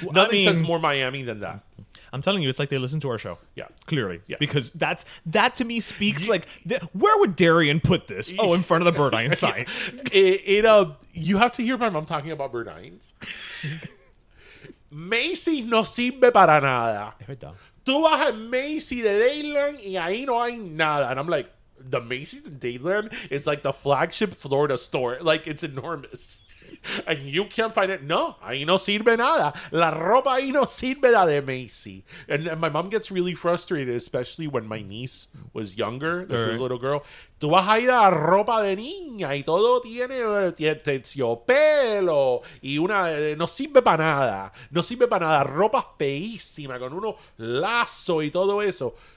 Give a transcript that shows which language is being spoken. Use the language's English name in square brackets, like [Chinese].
[English] Nothing says more Miami than that. I'm telling you, it's like they listen to our show. Yeah. Clearly. Yeah. Because that to me speaks like, where would Darian put this? Oh, in front of the Burdine sign. You have to hear my mom talking about Burdines. [Spanish] Macy's no sirve para nada. [English] If it does. [Spanish] Tú vas a Macy's de Dayland y ahí no hay nada. [English] And I'm like, the Macy's in Dayland is like the flagship Florida store. Like, it's enormous. And you can't find it. [Spanish] No, ahí no sirve nada. La ropa ahí no sirve la de Macy. [English] And my mom gets really frustrated, especially when my niece was younger. This was a little girl. [Spanish] Tú vas a ir a la ropa de niña y todo tiene terciopelo y una no sirve para nada. No sirve para nada. Ropa feísima con uno lazo y todo eso.